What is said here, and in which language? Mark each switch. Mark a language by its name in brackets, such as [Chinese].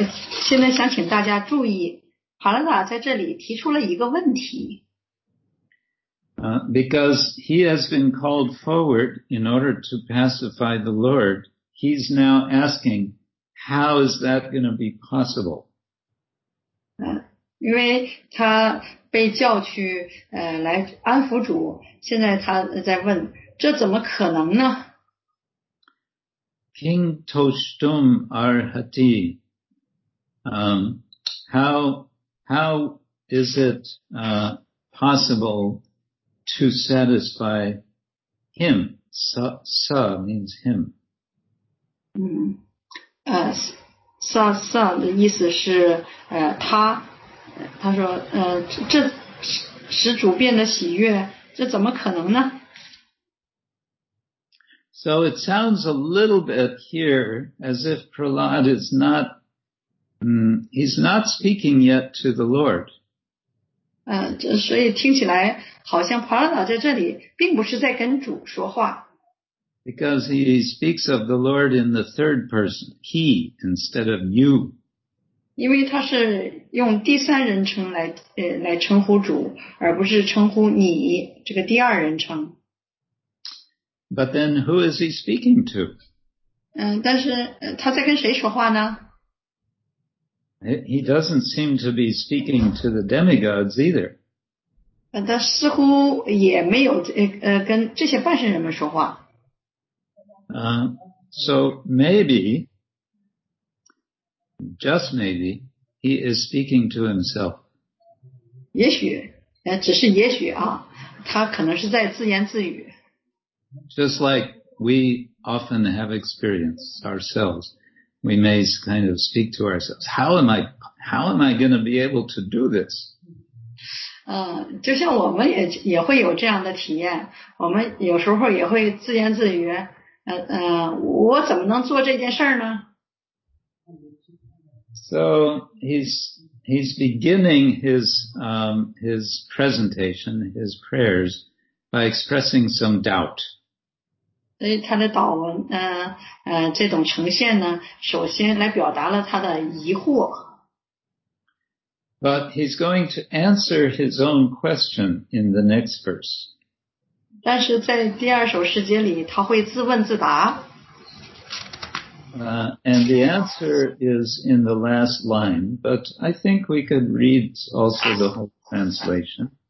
[Chinese] 现在想请大家注意，帕拉达在这里提出了一个问题。 [English] Because he has been called forward in order to pacify the Lord, he's now asking, how is that going to be possible? [Chinese] 因为他被叫去来安抚主，现在他在问，这怎么可能呢？ [English] King Toshtum Arhati, how is it possible to satisfy him? Sa means him. [Chinese] Sa 的意思是他。他说这使主变得喜悦，这怎么可能呢？ [English] So it sounds a little bit here as if Prahlad is not, he's not speaking yet to the Lord. [Chinese] 所以听起来好像 Prahlad 在这里并不是在跟主说话。 [English] Because he speaks of the Lord in the third person, he, instead of you. [Chinese] 因为他是用第三人称来称呼主，而不是称呼你这个第二人称。 [English] But then who is he speaking to? [Chinese] 但是他在跟谁说话呢？ [English] He doesn't seem to be speaking to the demigods either. [Chinese] 他似乎也没有跟这些半神人们说话。 [English] So maybe, just maybe, he is speaking to himself. [Chinese] 也许，只是也许啊，他可能是在自言自语。 [English] Just like we often have experience ourselves, we may kind of speak to ourselves. How am I going to be able to do this? [Chinese] 就像我们也会有这样的体验。我们有时候也会自言自语，我怎么能做这件事呢？ [English] So he's beginning his presentation, his prayers, by expressing some doubt. [Chinese] 所以他的祷文这种呈现呢，首先来表达了他的疑惑。 [English] But he's going to answer his own question in the next verse. [Chinese] 但是在第二首诗节里他会自问自答。 [English] And the answer is in the last line, but I think we could read also the whole translation.